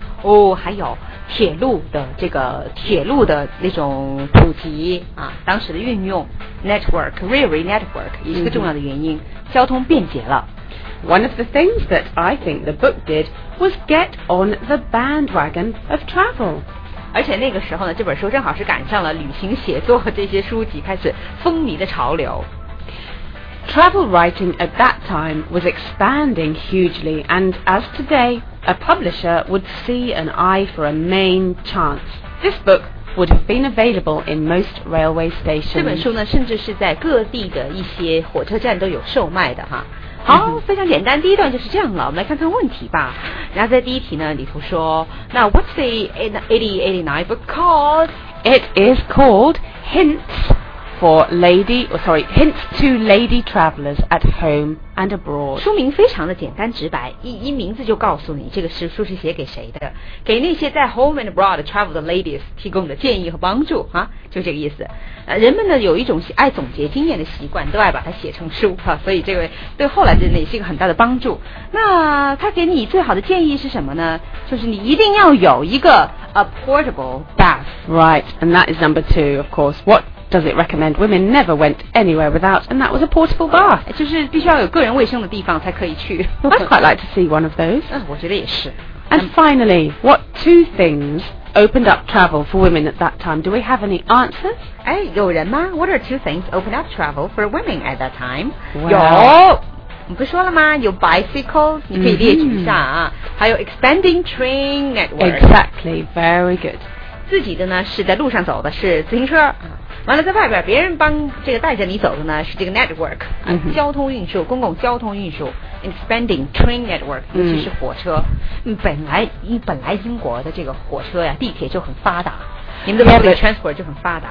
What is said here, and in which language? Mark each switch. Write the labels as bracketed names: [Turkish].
[Chinese] 哦，还有。铁路的这个铁路的那种普及啊，当时的运用 network railway network 也是个重要的原因、mm-hmm. 交通便捷了 [English] One of the things that I think the book did was get on the bandwagon of travel [Chinese] 而且那个时候呢这本书正好是赶上了旅行写作这些书籍开始风靡的潮流 [English] Travel writing at that time was expanding hugely, and as today, a publisher would see an eye for a main chance. This book would have been available in most railway stations. [Chinese] 这本书呢，甚至是在各地的一些火车站都有售卖的哈。好，非常简单，第一段就是这样了。我们来看看问题吧。然后在第一题呢，里头说，那 [English] What's the 1889 book called? It is called Hints. for lady, or sorry, hints to lady travelers at home and abroad. [Chinese] 书名非常的简单直白，一名字就告诉你这个书是写给谁的，给那些在 [English] home and abroad travel [Chinese] 的 ladies 提供的建议和帮助啊，就这个意思。人们呢有一种爱总结经验的习惯，都爱把它写成书啊，所以这位对后来的人也是一个很大的帮助。那他给你最好的建议是什么呢？就是你一定要有一个 [English] a portable bath. Right, and that is number two, of course. What? Does it recommend women never went anywhere without, and that was a portable bath. [Chinese] 就是必须要有个人卫生的地方才可以去。 [English] I'd quite like to see one of those. [Chinese] 我觉得也是。 [English] And finally, what two things opened up travel for women at that time? Do we have any answers? [Chinese] 哎，有人吗？ [English] What are two things opened up travel for women at that time? Well, [Chinese] 有，你不说了吗？有 bicycles, 你可以列举一下啊。还有 [English] expanding train network. Exactly, very good. [Chinese] 自己的呢，是在路上走的，是自行车。完了，在外边别人帮这个带着你走的呢，是这个 network、 mm-hmm. 交通运输，公共交通运输 [English] expanding train network， [Chinese] 尤其是火车。本来英国的这个火车呀，地铁就很发达，你们的 [English] public transport [Chinese] 就很发达。